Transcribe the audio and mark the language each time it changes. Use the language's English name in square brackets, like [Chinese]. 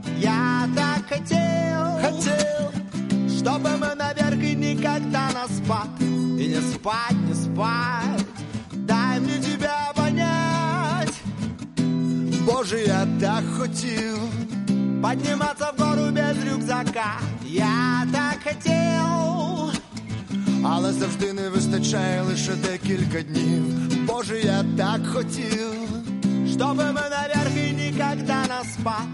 [Russian] Я так хотел, чтобы мы наверх и никогда на спад. И не спать, не спать, дай мне тебя понять. Боже, я так хотел подниматься в гору без рюкзака. Я так хотел, [Ukrainian] але завжди не вистачає лише декілька днів. [Russian] Боже, я так хотел, чтобы мы наверх и никогда на спад.